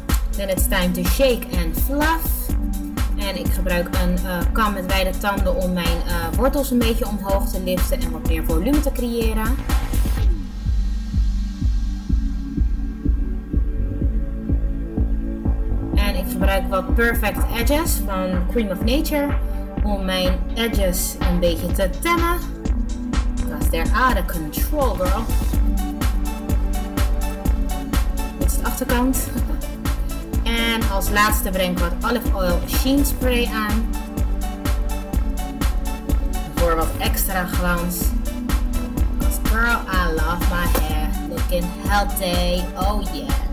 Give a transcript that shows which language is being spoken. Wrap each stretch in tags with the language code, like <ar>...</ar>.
<en>Then it's time to shake and fluff.</en> <nl>En ik gebruik een kam met wijde tanden om mijn wortels een beetje omhoog te liften en wat meer volume te creëren. En ik gebruik wat Perfect Edges van Cream of Nature om mijn edges een beetje te temmen.</nl> <en>Because they're out of control, girl.</en> <nl>Dit is de achterkant. En als laatste breng ik wat Olive Oil Sheen Spray aan. Voor wat extra glans.</nl> <en>Because girl, I love my hair. Looking healthy. Oh yeah.</en>